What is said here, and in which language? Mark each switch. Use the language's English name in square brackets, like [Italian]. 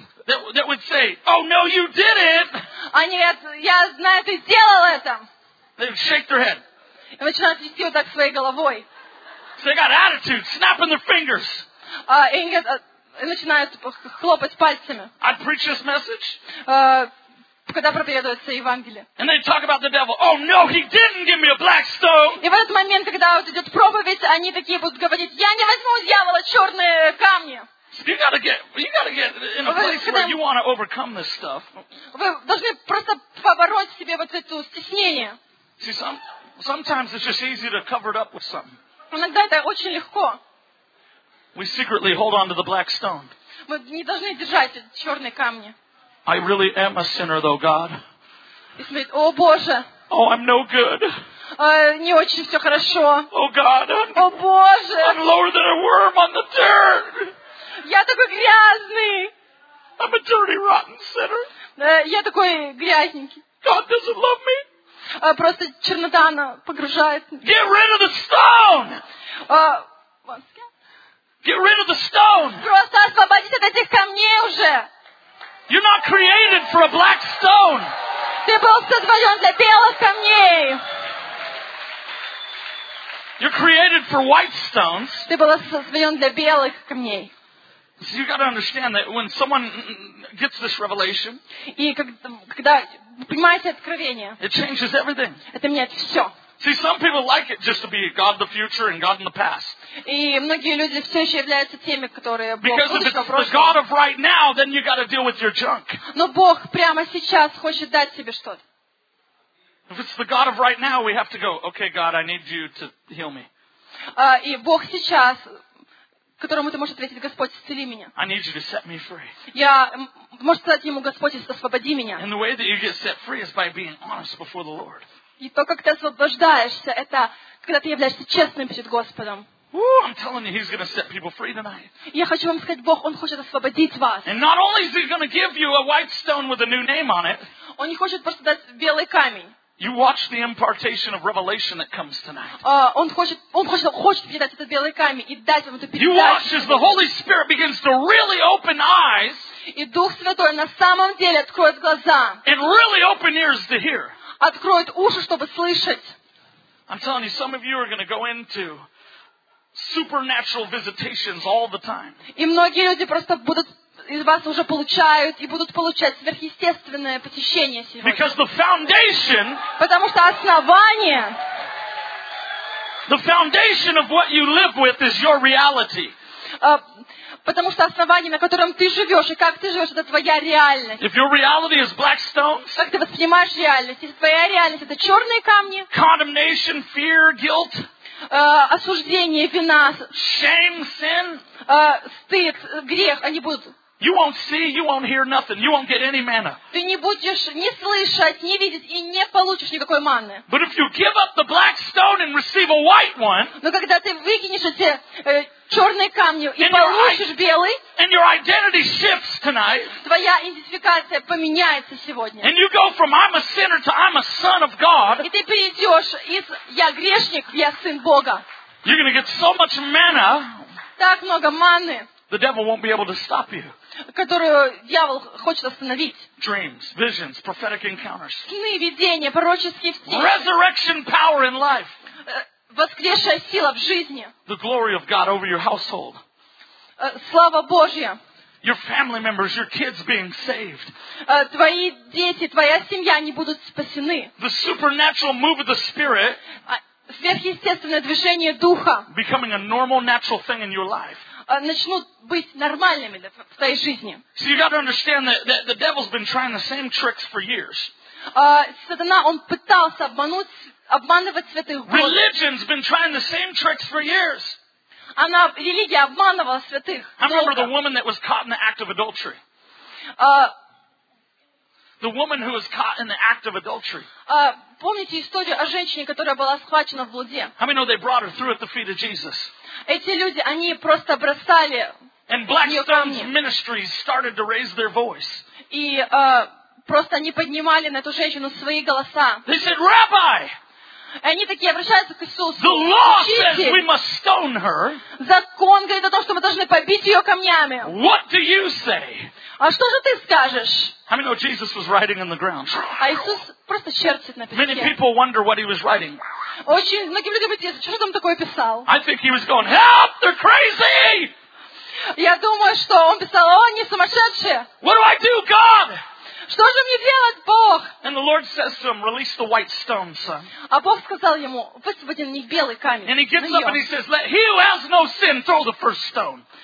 [English] That would say, "Oh no, you did it!" [Russian] Они говорят, я знаю, ты сделал это. [English] They shake their head. [Russian] И начинают вести вот так своей головой. [English] So they got attitude, snapping their fingers. [Russian] И начинают хлопать пальцами. [English] I preach this message. [Russian] Когда проповедуется Евангелие. [English] And they talk about the devil. Oh no, he didn't give me a black stone. [Russian] И в этот момент, когда вот идет проповедь, они такие будут говорить: я не возьму у дьявола черные камни. [English] You gotta get in a place where you want to overcome this stuff. [Russian] Вы должны просто побороть себе вот это стеснение. [English] See, sometimes it's just easy to cover it up with something. [Russian] Иногда это очень легко. [English] We secretly hold on to the black stone. [Russian] Мы не должны держать черные камни. [English] I really am a sinner, though, God. [Russian] О Боже. [English] Oh, I'm no good. [Russian] Не очень все хорошо. [English] Oh God. [Russian] О Боже. [English] I'm lower than a worm on the dirt. [Russian] Я такой грязный. [English] I'm a dirty, rotten sinner. [Russian] Я такой грязненький. [English] God doesn't love me. [Russian] Просто чернота она погружает. [English] Get rid of the stone. Get rid of the stone. [Russian] Просто освободись от этих камней уже. [English] You're not created for a black stone. [Russian] Ты был сотворен для белых камней. [English] You're created for white stones. [Russian] Ты был сотворен для белых камней. [English] So you got to understand that when someone gets this revelation, [Russian] и когда принимаете откровение, [English] it changes everything. [Russian] Это меняет все. [English] See, some people like it just to be God in the future and God in the past. [Russian] И многие люди все еще являются теми, которые Бог [English] Because [Russian] будущего, [English] if it's [Russian] прошлого. [English] The God of right now, then you got to deal with your junk. [Russian] Но Бог прямо сейчас хочет дать тебе что-то. [English] If it's the God of right now, we have to go, okay, God, I need you to heal me. [Russian] И Бог сейчас, которому ты можешь ответить: Господь, исцели меня. [English] I need you to set me free. [Russian] Я может сказать ему: Господь, освободи меня. [English] And the way that you get set free is by being honest before the Lord. [Russian] И то, как ты освобождаешься, это когда ты являешься честным перед Господом. [English] I'm telling you, he's going to set people free tonight. [Russian] Я хочу вам сказать, Бог, он хочет освободить вас. [English] And not only is he going to give you a white stone with a new name on it. [Russian] Он не хочет просто дать белый камень. [English] You watch the impartation of revelation that comes tonight. [Russian] Он хочет передать этот белый камень и дать вам эту передачу. [English] You watch as the Holy Spirit begins to really open eyes. [Russian] И Дух Святой на самом деле откроет глаза. [English] And really open ears to hear. [Russian] Откроет уши, чтобы слышать. [English] I'm telling you, some of you are going to go into supernatural visitations all the time. [Russian] И многие люди просто будут из вас уже получают и будут получать сверхъестественное посещение сегодня. [English] Because the foundation, [Russian] потому что основание, [English] the foundation of what you live with is your reality. [Russian] Потому что основание, на котором ты живешь, и как ты живешь, это твоя реальность. [English] If your reality is black stones, [Russian] как ты воспринимаешь реальность, если твоя реальность это черные камни, [English] condemnation, fear, guilt, [Russian] осуждение, вина, [English] shame, sin, [Russian] стыд, грех, они будут. [English] You won't see, you won't hear nothing, you won't get any manna. [Russian] Ты не будешь ни слышать, ни видеть и не получишь никакой манны. [English] But if you give up the black stone and receive a white one, [Russian] но когда ты выкинешь эти черные камни и получишь белый, [English] and your identity shifts tonight, [Russian] твоя идентификация поменяется сегодня. [English] And you go from I'm a sinner to I'm a son of God. [Russian] И ты перейдешь из я грешник в я сын Бога. [English] You're gonna get so much manna. [Russian] Так много манны. [English] The devil won't be able to stop you. [Russian] Которую дьявол хочет остановить. [English] Dreams, visions, prophetic encounters. [Russian] Сны, видения, пророческие встречи. [English] Resurrection power in life. [Russian] Воскресшая сила в жизни. [English] The glory of God over your household. [Russian] Слава Божья. [English] Your family members, your kids being saved. [Russian] Твои дети, твоя семья, они будут спасены. [English] The supernatural move of the Spirit. [Russian] Сверхъестественное движение Духа. [English] Becoming a normal, natural thing in your life. [Russian] Начнут быть нормальными в твоей жизни. [English] So you got to understand that the devil's been trying the same tricks for years. [Russian] Сатана, он пытался обманывать святых Бога. [English] Religion's been trying the same tricks for years. [Russian] Она, религия, обманывала святых. [English] I remember the woman that was caught in the act of adultery. The woman who was caught in the act of adultery. [Russian] Помните историю о женщине, которая была схвачена в блуде? [English] How many know they brought her through at the feet of Jesus? [Russian] Эти люди, они просто бросали [English] And Blackstone's ministry started to raise their voice. [Russian] И просто они поднимали на эту женщину свои голоса. [English] They said, Rabbi! [Russian] Они такие обращаются к Иисусу. [English] The law says we must stone her. [Russian] Закон говорит о том, что мы должны побить ее камнями. [English] What do you say? [Russian] А что же ты скажешь? [English] How many know Jesus was writing on the ground? [Russian] А Иисус просто чертит на песке. [English] Many people wonder what he was writing. [Russian] Очень многие люди говорят, что же там такое писал? [English] I think he was going, help, they're crazy! [Russian] Я думаю, что он писал, о, они сумасшедшие. [English] What do I do, God? [Russian] Что же мне делать, Бог? [English] And the Lord says to him, release the white stone, son. [Russian] А Бог сказал ему, высвободи на них белый камень. [English] And he gets up and he says, let he who has no sin throw the first stone.